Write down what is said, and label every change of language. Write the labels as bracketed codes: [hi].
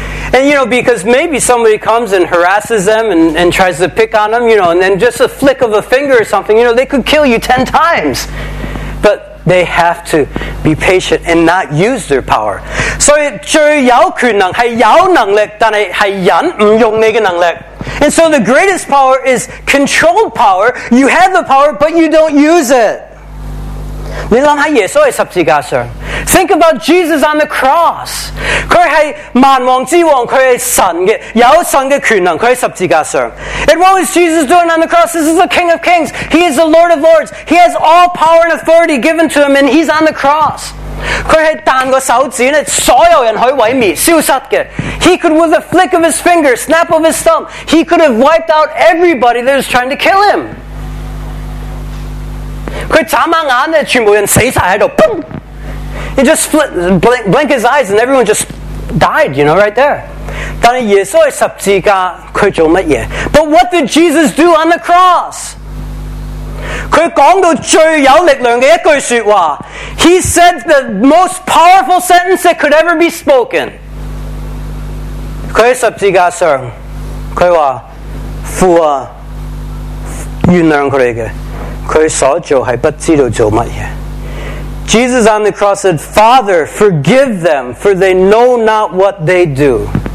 [en] And you know, because maybe somebody comes and harasses them and tries to pick on them, you know, and then just a flick of a finger or something, you know, they could kill you 10 times. But they have to be patient and not use their power. [zh] So 最有權能是有能力，但是是忍，不用你的能力。 [en] And so the greatest power is controlled power. You have the power, but you don't use it. [zh] 你想想耶稣在十字架上。 [en] Think about Jesus on the cross. [zh] 他是万王之王，他是神的，有神的权能，他在十字架上。 [en] And what was Jesus doing on the cross? This is the King of Kings. He is the Lord of Lords. He has all power and authority given to him, and he's on the cross. [zh] 他是弹个手指，所有人可以毁灭，消失的。 [en] He could, with a flick of his finger, snap of his thumb, he could have wiped out everybody that was trying to kill him. [zh] 他眨下眼，全部人死在那里，砰！ [en] He just blink his eyes and everyone just died, you know, right there. [zh] 但是耶稣在十字架，他做什么？ [en] But what did Jesus do on the cross? [zh] 他讲到最有力量的一句说话。 [en] He said the most powerful sentence that could ever be spoken. [zh] 他在十字架上，他说，父啊，原谅他们，他所做是不知道做什么。 [en] Jesus on the cross said, Father, forgive them, for they know not what they do.